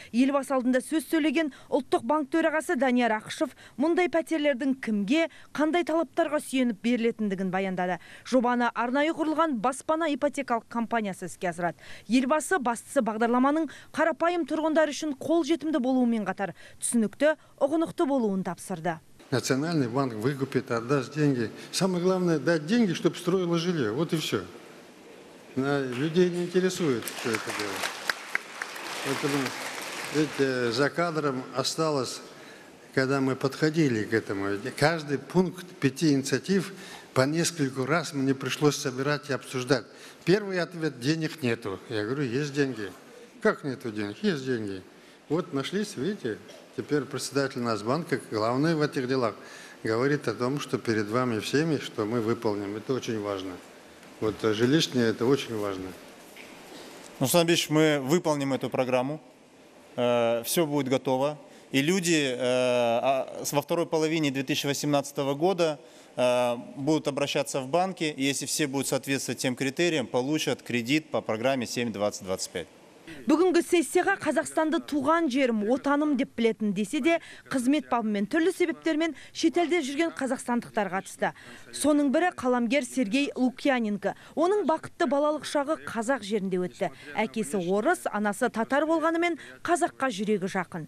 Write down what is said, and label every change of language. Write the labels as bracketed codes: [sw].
[kk] Елбасы алдында сөз сөйлеген ұлттық банк төрағасы Данияр Ақышев мұндай пәтерлердің кімге, қандай талаптарға сүйеніп берілетіндігін баяндады. Жобаны арнайы құрылған баспана ипотекалық компаниясы іске асырады. Елбасы бастысы бағдарламаның қарапайым тұрғындар үшін қол жетімді болуымен қатар түсінікті, ұғынықты болуын тапсырды. [ru] Национальный банк выкупит, отдаст деньги. Самое главное, дать деньги, чтобы строило жилье. Вот и все. Людей не интересует, что это дело. Поэтому, видите, за кадром осталось, когда мы подходили к этому. Каждый пункт пяти инициатив по нескольку раз мне пришлось собирать и обсуждать. Первый ответ – денег нету. Я говорю, есть деньги. Как нету денег? Есть деньги. Вот нашлись, видите? Теперь председатель Нацбанка, главный в этих делах, говорит о том, что перед вами всеми, что мы выполним. Это очень важно. Вот жилищное, это очень важно. Ну, Руслан Ильич, мы выполним эту программу. Все будет готово. И люди во второй половине 2018 года будут обращаться в банки. И если все будут соответствовать тем критериям, получат кредит по программе 7-20-25. [kk] Бүгінгі сессияға Қазақстанды туған жерім, отаным деп білетін десе де, қызмет бабымен түрлі себептермен шетелде жүрген қазақстандықтар қатысты. Соның бірі қаламгер Сергей Лукьяненко. Оның бақытты балалық шағы қазақ жерінде өтті. Әкесі орыс, анасы татар болғанымен қазаққа жүрегі жақын.